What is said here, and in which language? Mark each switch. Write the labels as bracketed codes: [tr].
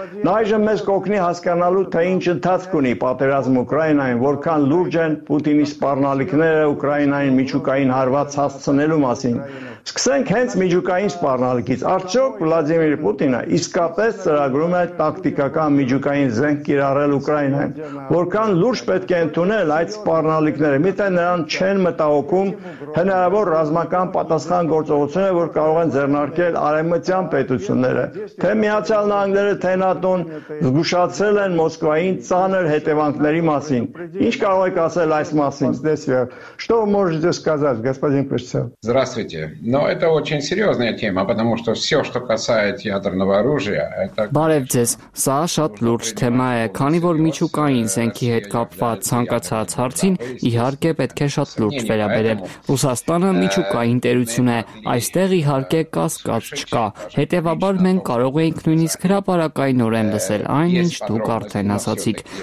[hy] Նա այժմ մեզ կօգնի հասկանալու, թե ինչ ընթացք ունի պատերազմ Ուկրաինայում, որքան լուրջ են Պուտինի սպառնալիքները Ուկրաինային միջուկային հարված հասցնելու մասին։ Սկսենք հենց միջուկային սպառնալիքից։ Արդյոք Վլադիմիր Պուտինը իսկապես ծրագրում է տակտիկական միջուկային զենք կիրառել Ուկրաինային։ Որքան լուրջ պետք է ընդունել այդ սպառնալիքները, միթե նրան չեն մտահոգում հնարավոր ռազմական պատասխան գործողությունը, որ կարող են ձեռնարկել արևմտյան պետությունները։ Թե Միացյալ Նահանգները, թե ՆԱՏՕ-ն զգուշացել են Մոսկվային ծանր հետևանքների մասին։ Ինչ կարող եք ասել այս մասին, Ստեսիա? [ru] Что вы можете сказать, господин Пришцев? Здравствуйте. Но это очень серьезная тема, потому что все, что касается ядерного оружия, это... [hy] Բարև ձեզ, սա շատ լուրջ թեմա է, քանի որ միջուկային զենքի հետ կապված ցանկացած հարցին, իհարկե պետք է շատ լուրջ վերաբերել։ Ռուսաստանը միջուկային տերություն է, այստեղ իհարկե կասկած չկա, հետևաբար մենք կարող ենք նույնիսկ հրապարակայնորեն լսել այն, ինչ դուք արդեն ասացիք,